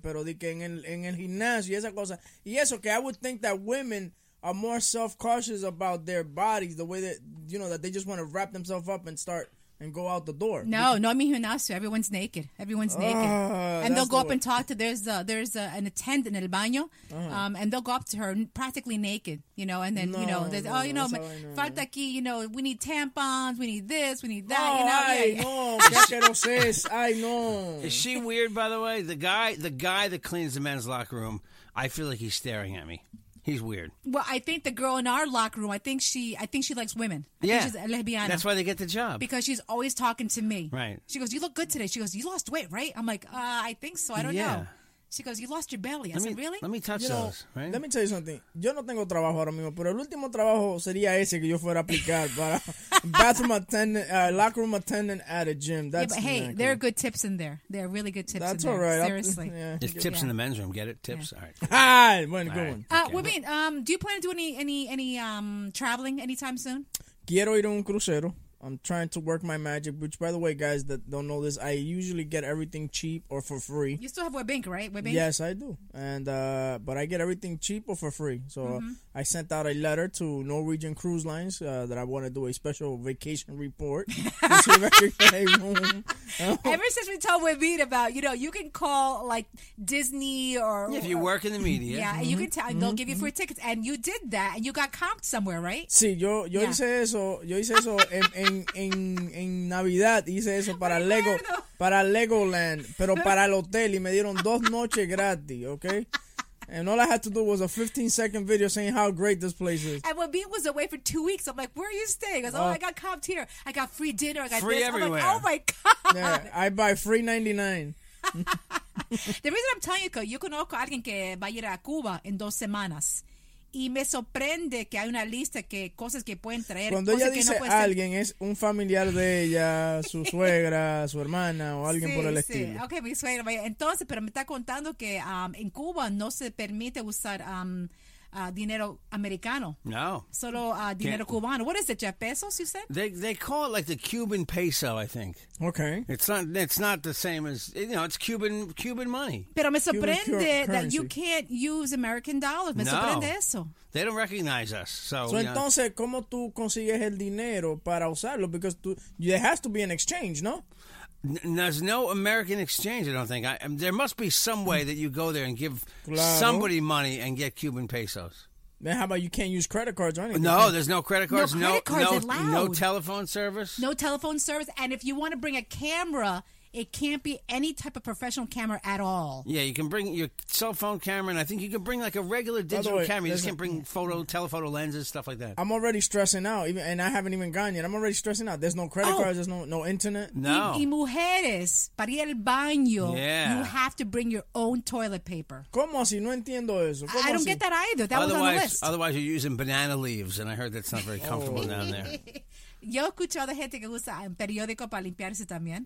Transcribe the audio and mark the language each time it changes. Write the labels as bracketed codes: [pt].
[es] Pero di que en el gimnasio y esa cosa. Y eso, que [en] I would think that women are more self-cautious about their bodies, the way that, you know, that they just want to wrap themselves up and start and go out the door. No, no, I mean, who knows? Everyone's naked. Everyone's naked. And they'll go up and talk to, there's an attendant in [es] el baño, [en] and they'll go up to her practically naked, you know, and then, no, you know, no, oh, you know, [es] falta aquí, [en] you know, we need tampons, we need this, we need that, you know. Ay, yeah. No, I know. Is she weird, by the way? The guy that cleans the men's locker room, I feel like he's staring at me. He's weird. Well, I think the girl in our locker room, I think she likes women. Yeah. I think she's a lesbiana. That's why they get the job. Because she's always talking to me. Right. She goes, you look good today. She goes, you lost weight, right? I'm like, I think so. I don't know. She goes, you lost your belly. I said, really? Let me touch you those. Know, right? Let me tell you something. [es] Yo no tengo trabajo ahora mismo, pero el último trabajo sería ese que yo fuera a aplicar para [en] bathroom attendant, locker room attendant at a gym. That's yeah, but hey, there are good tips in there. There are really good tips That's in there. That's all right. Seriously. Yeah. It's tips in the men's room. Get it? Tips? Yeah. All right. Hi, when good one. Okay. Wabin, do you plan to do any traveling anytime soon? [es] Quiero ir a un crucero. [en] I'm trying to work my magic, which, by the way, guys that don't know this, I usually get everything cheap or for free. You still have Webink, right? Webink? Yes, I do. And but I get everything cheap or for free. So I sent out a letter to Norwegian Cruise Lines that I want to do a special vacation report. Ever since we told Webink about, you know, you can call, like, Disney or... Yeah, if you work in the media. Yeah, and you can tell, and they'll give you free tickets. And you did that, and you got comped somewhere, right? [es] Sí, yo hice eso en Navidad hice eso para Lego, para Legoland, pero para el hotel, y me dieron dos noches gratis, okay? [en] And all I had to do was a 15-second video saying how great this place is. And when Bean was away for 2 weeks, I'm like, where are you staying? I was like, oh, I got comped here. I got free dinner. I got free this. Everywhere. I'm like, oh, my God. Yeah, I buy free 99. The reason I'm telling you, because [es] yo conozco a alguien que va a ir a Cuba en dos semanas. Y me sorprende que hay una lista que cosas que pueden traer. Cuando cosas ella dice que no alguien, es un familiar de ella, su suegra, su hermana o alguien sí, por el sí. estilo. Ok, mi suegra. Vaya. Entonces, pero me está contando que en Cuba no se permite usar dinero americano. No. Solo dinero [en] Can't. [es] Cubano. [en] What is it, Jeff? [es] ¿Pesos, [en] you said? They call it like the Cuban peso, I think. Okay. It's not the same as, you know, it's Cuban money. [es] Pero me sorprende [en] that you can't use American dollars. [es] Sorprende eso. [en] They don't recognize us. So [es] entonces, ¿cómo tú consigues el dinero para usarlo? [en] Because there has to be an exchange, no? There's no American exchange, I don't think. There must be some way that you go there and give somebody money and get Cuban pesos. Then how about you can't use credit cards or anything? No, there's no credit cards. No telephone service. No telephone service. And if you want to bring a camera, it can't be any type of professional camera at all. Yeah, you can bring your cell phone camera, and I think you can bring like a regular digital camera. You just can't bring telephoto lenses, stuff like that. I'm already stressing out, and I haven't even gone yet. I'm already stressing out. There's no credit cards. There's no internet. No. [es] Y mujeres, para ir al baño, [en] you have to bring your own toilet paper. [es] ¿Cómo así? No entiendo eso. [en] I don't get that either. That otherwise, was on the list. Otherwise, you're using banana leaves, and I heard that's not very comfortable down there. [es] Yo he escuchado gente que usa un periódico para limpiarse también.